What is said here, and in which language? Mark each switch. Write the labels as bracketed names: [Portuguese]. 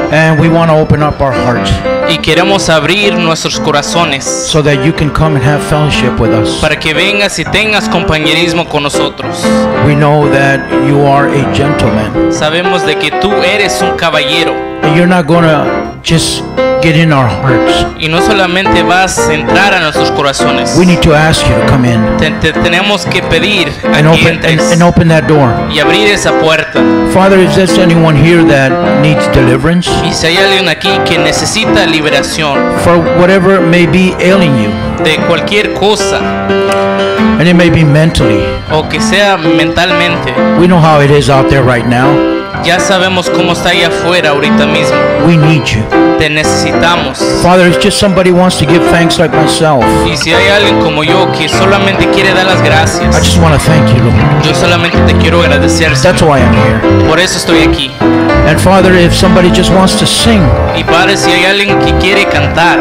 [English] And we want to open up our hearts. [Spanish] Y queremos abrir nuestros corazones [English] so that you can come and have fellowship with us. [Spanish] Para que vengas y tengas compañerismo con nosotros. [English] We know that you are a gentleman. [Spanish] Sabemos de que tú eres un caballero. [English] And you're not gonna just get in our hearts. [Spanish] Y no solamente vas a entrar a nuestros corazones. [English] We need to ask you to come in. [Spanish] Tenemos que pedir a que entres [English] and open that door. [Spanish] Y abrir esa puerta. [English] Father, is there anyone here that needs deliverance? [Spanish] Y si hay alguien aquí que necesita liberación. [English] For whatever may be ailing you. [Spanish] De cualquier cosa. [English] And it may be mentally. [Spanish] O que sea mentalmente. [English] We know how it is out there right now. [Spanish] Ya sabemos cómo está ahí afuera ahorita mismo. [English] We need you. [Spanish] Te necesitamos. [English] Father, if just somebody wants to give thanks like myself. [Spanish] Y si hay alguien como yo que solamente quiere dar las gracias. [English] I just want to thank you, Lord. [Spanish] Yo solamente te quiero agradecer. [English] That's why I'm here. [Spanish] Por eso estoy aquí. [English] And Father, if somebody just wants to sing. [Spanish] Y Padre, si hay alguien que quiere cantar.